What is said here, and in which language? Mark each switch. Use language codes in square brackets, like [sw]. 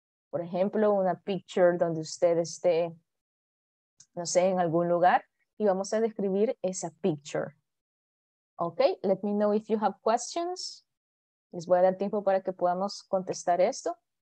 [es] Por ejemplo, una picture donde usted esté, no sé, en algún lugar, y vamos a describir esa picture. [en] Okay, let me know if you have questions. [es] Les voy a dar tiempo para que podamos contestar esto.